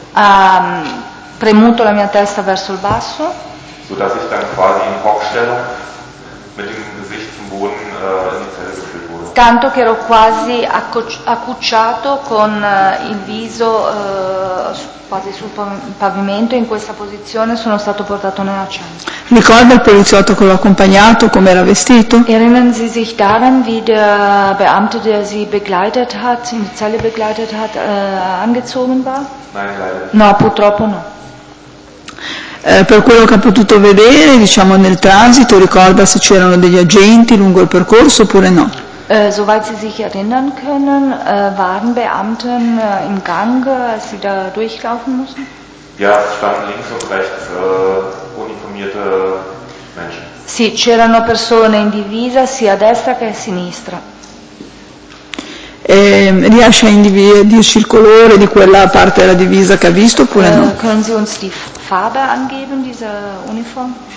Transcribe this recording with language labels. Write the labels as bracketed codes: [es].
[it] Ha premuto la mia testa verso il basso. [de] So dass ich dann quasi in Hockstellung mit dem Gesicht zum Boden in die Zelle geführt wurde. [it] Tanto che ero quasi accucciato con il viso quasi sul pavimento in questa posizione, sono stato portato nella cella. Ricorda il poliziotto che l'ho accompagnato come era vestito? [de] Erinnern Sie sich daran, wie der Beamte, der Sie begleitet hat, in die Zelle begleitet hat, angezogen war? Nein, leider. [it] No, purtroppo no. Per quello che ha potuto vedere, diciamo nel transito, ricorda se c'erano degli agenti lungo il percorso oppure no? [de] Soweit Sie sich erinnern können, waren Beamten im Gang, als Sie da durchlaufen mussten? Ja, es standen links und rechts uniformierte Menschen. [it] Sì, c'erano persone in divisa sia a destra che a sinistra. Riesce a dirci il colore di quella parte della divisa che ha visto oppure no? [de] Können Sie uns die Farbe angeben, diese Uniform?